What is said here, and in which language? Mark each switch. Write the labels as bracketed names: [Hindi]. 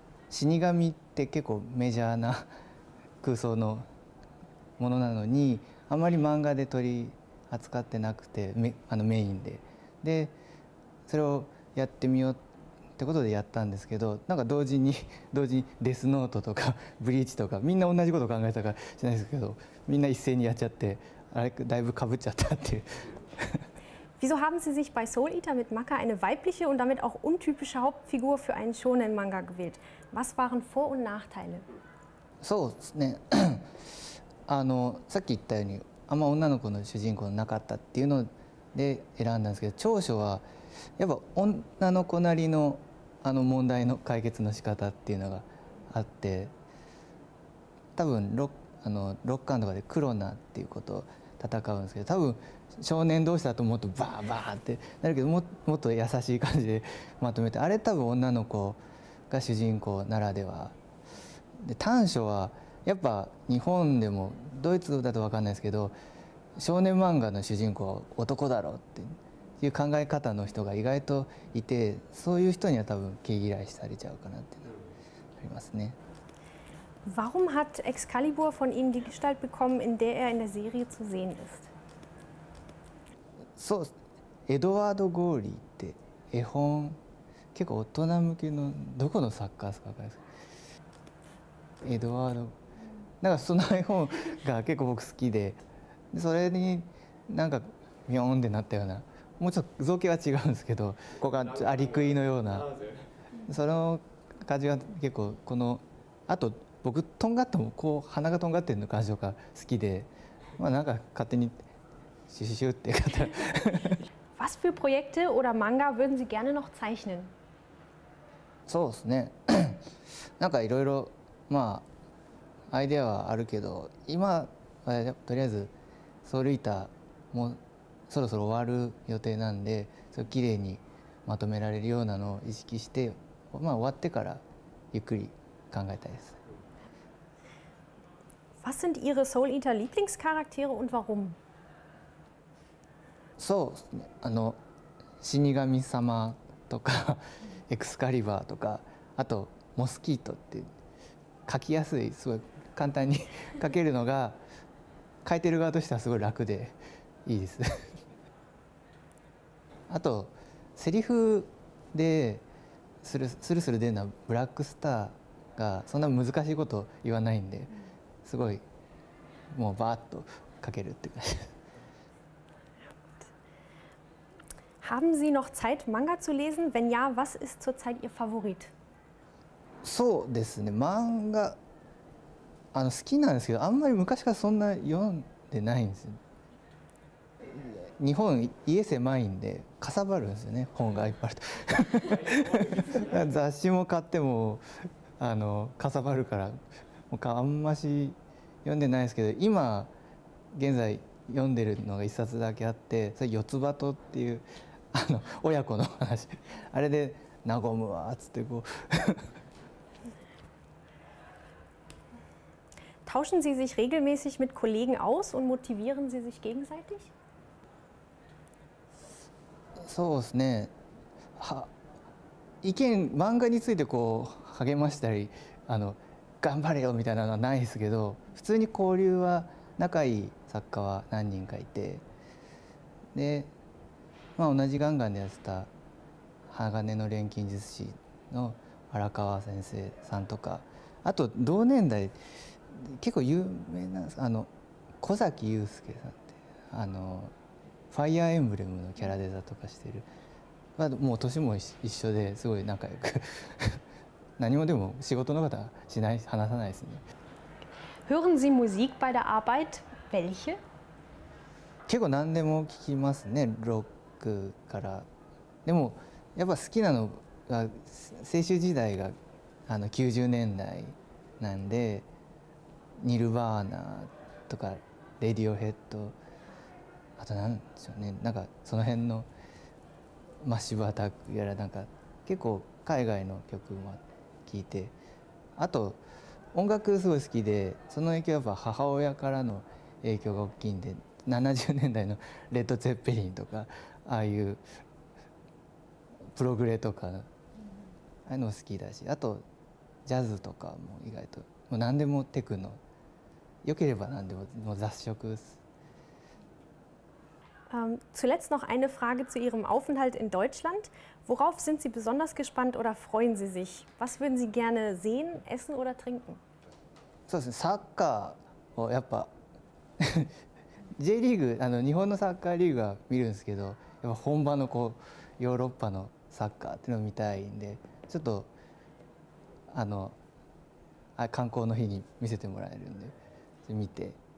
[Japanese] 死神って結構メジャーな空想のものなのにあまり漫画で取り扱ってなくて、メインで、でそれをやってみようってことでやったんですけど、なんか同時にデスノートとかブリーチとかみんな同じこと考えたかしないですけど、みんな一斉にやっちゃって、あれだいぶ被っちゃったっていう。 [German] Wieso haben Sie sich bei Soul Eater mit Maka eine weibliche und damit auch untypische Hauptfigur für einen Shonen Manga gewählt? Was waren Vor- und Nachteile? [Japanese] そうですね。さっき言ったようにあんま女の子の主人公なかったっていうので選んだんですけど、長所はやっぱ女の子なり の問題の解決の仕方っていうのがあって、多分 6巻とかでクロナっていうことを戦うんですけど、多分少年同士だともっとバーバーってなるけど、 もっと優しい感じでまとめて、あれ多分女の子が主人公ならでは。で短所はやっぱ日本でもドイツだと分かんないですけど、少年漫画の主人公は男だろうっていう考え方の人が意外といて、そういう人には多分毛嫌いされちゃうかなっていうのはありますね。 [German] Warum hat Excalibur von Ihnen die Gestalt bekommen, in der in der Serie zu sehen ist? [Japanese] そう、エドワード・ゴーリーって絵本、結構大人向けのどこの作家ですか、分かりますか、エドワード、なんかその絵本が結構僕好きで、それになんかミョーンってなったような、もうちょっと造形は違うんですけど、ここがアリクイのような、その感じが結構、このあと僕とんがってもこう鼻がとんがってるの感じが好きで、まあなんか勝手にシュシュシュって言った。 [German] Was für Projekte oder Manga würden Sie gerne noch zeichnen? [Japanese] そうですね。なんかいろいろまあアイデアはあるけど、今はとりあえずソウルイーターもそろそろ終わる予定なんで、それをきれいにまとめられるようなのを意識して、まあ、終わってからゆっくり考えたいです。 [German] Was sind Ihre Soul Eater Lieblingscharaktere und warum? [Japanese] そうですね。死神様とかエクスカリバーとか、あとモスキートって書きやすい、すごい簡単に書けるのが書いてる側としてはすごい楽でいいです。あとセリフでスルスル出るのはブラックスターが、そんな難しいこと言わないんで、すごいもうバーッと書けるって感じ。 [German] Haben Sie noch Zeit, Manga zu lesen? Wenn ja, was ist zurzeit Ihr Favorit? [Japanese] そうですね、漫画好きなんですけど、あんまり昔からそんな読んでないんですよ。日本家狭いんでかさばるんですよね、本がいっぱいあると。雑誌も買ってもかさばるから、もうあんまし読んでないですけど、今現在読んでるのが一冊だけあって、それ「四つ鳩」っていう親子の話、あれで和むわっつってこう。 [German] Tauschen Sie sich regelmäßig mit Kollegen aus und motivieren Sie sich gegenseitig? [Japanese] そうですね。意見、漫画についてこう励ましたり、頑張れよみたいなのはないですけど、普通に交流は仲いい作家は何人かいて、で、まあ、同じガンガンでやってた鋼の錬金術師の荒川先生さんとか、あと同年代結構有名な小崎雄介さんって、あのファイアーエンブレムのキャラデザとかしてる、まあ、もう年も一緒ですごい仲良く何もでも仕事の方はしない、話さないですね。 [German] Hören Sie Musik bei der Arbeit? Welche? [Japanese] 結構何でも聞きますね、ロックから。でもやっぱ好きなのが青春時代が90年代なんで、ニルバーナとかレディオヘッド、あと何でしょうね、なんかその辺のマッシブアタックやら、なんか結構海外の曲もあって。聞いて、あと音楽すごい好きで、その影響はやっぱ母親からの影響が大きいんで、70年代のレッド・ツェッペリンとか、ああいうプログレとか、ああいうの好きだし、あとジャズとかも意外ともう何でもテクノ、良ければ何でも、もう雑食です。 [German] Zuletzt noch eine Frage zu Ihrem Aufenthalt in Deutschland. Worauf sind Sie besonders gespannt oder freuen Sie sich? Was würden Sie gerne sehen, essen oder trinken? [Japanese] そうですね、サッカーをやっぱJリーグ、日本のサッカーリーグは見るんですけど、やっぱ本場のこうヨーロッパのサッカーっていうのを見たいんで、ちょっと観光の日に見せてもらえるんで、それ見て。